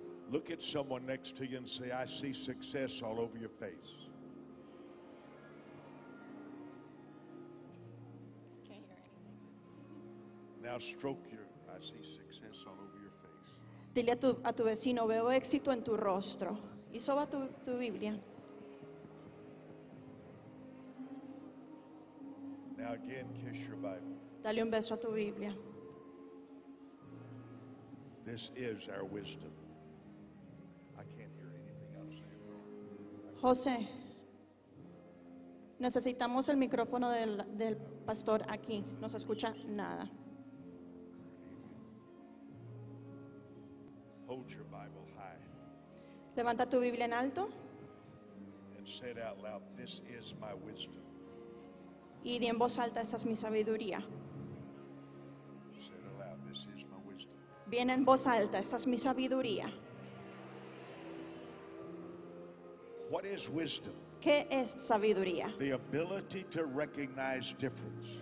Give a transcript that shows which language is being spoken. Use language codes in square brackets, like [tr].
[en] Look at someone next to you and say, I see success all over your face. Can't hear anything. Now stroke your, I see success all over your face. [es] Dile a tu vecino, veo éxito en tu rostro. Y soba tu Biblia. [en] Now again, kiss your Bible. [es] Dale un beso a tu Biblia. [en] This is our wisdom. I can't hear anything else. [es] José, necesitamos el micrófono del pastor aquí. No se escucha nada. [en] Hold your Bible high. [es] Levanta tu Biblia en alto. [en] And say it out loud, this is my wisdom. [es] Y di en voz alta, esta es mi sabiduría. [en] Say it aloud, this is my wisdom. [es] Viene en voz alta, esta es mi sabiduría. [en] What is wisdom? [es] ¿Qué es sabiduría? [en] The ability to recognize difference.